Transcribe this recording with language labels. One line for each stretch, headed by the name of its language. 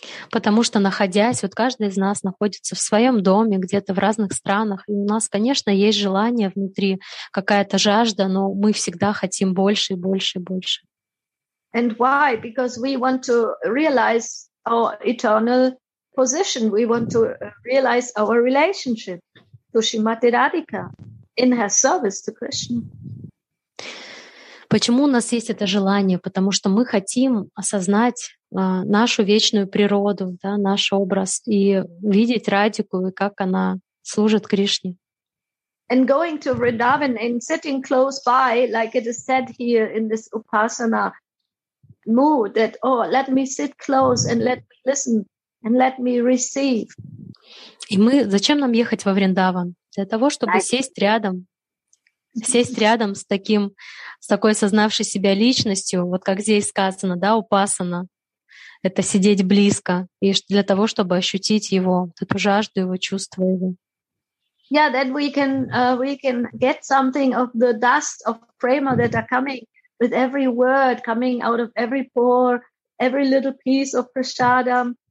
Russian: Потому что, находясь, вот каждый из нас находится в своем доме, где-то в разных странах, и у нас, конечно, есть желание внутри, какая-то жажда, но мы всегда хотим больше и больше и больше.
English: And why? Because we want to realize our eternal position. We want to realize our relationship to Srimati Radhika in her service to Krishna.
Russian: Почему у нас есть это желание? Потому что мы хотим осознать нашу вечную природу, да, наш образ, и видеть Радику, и как она служит Кришне.
English: And going to Vrindavan and sitting close by, like it is said here in this Upasana mood, that, oh, let me sit close and let me listen and let me receive.
Russian: И мы, зачем нам ехать во Вриндаван? Для того, чтобы сесть рядом. Сесть рядом с таким, с такой осознавшей себя личностью, вот как здесь сказано, да, упасана, это сидеть близко, и для того, чтобы ощутить его, эту жажду его, чувство его.
English: Yeah, then we can get something of the dust of prema that are coming with every word coming out of every pore, every little piece of prasadam,